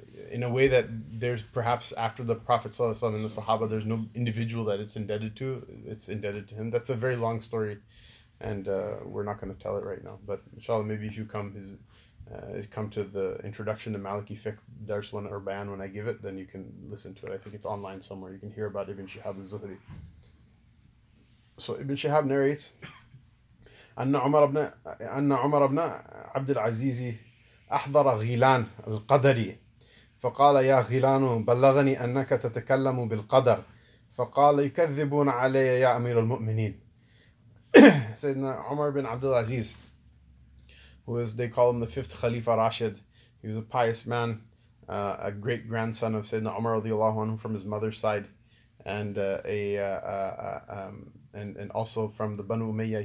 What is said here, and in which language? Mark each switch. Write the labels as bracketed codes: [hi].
[en] In a way that there's perhaps after the Prophet ﷺ and the Sahaba, there's no individual that it's indebted to. It's indebted to him. That's a very long story. And we're not going to tell it right now. But inshallah, maybe if you come to the introduction to Maliki Fiqh, Dars one Urban, when I give it, then you can listen to it. I think it's online somewhere. You can hear about Ibn Shihab al-Zuhri. So Ibn Shihab narrates, [ar] Anna Umar ibn Abdul Azizi أحضر غيلان القدري فقال يا غيلان بلغني أنك تتكلم بالقدر فقال يكذبون علي يا أمير المؤمنين. [en] سيدنا عمر بن عبد العزيز, who is, they call him the fifth Khalifa Rashid, he was a pious man, a great grandson of Sayyidina Umar radiallahu anhu from his mother's side, and and also from the Banu Umayyah.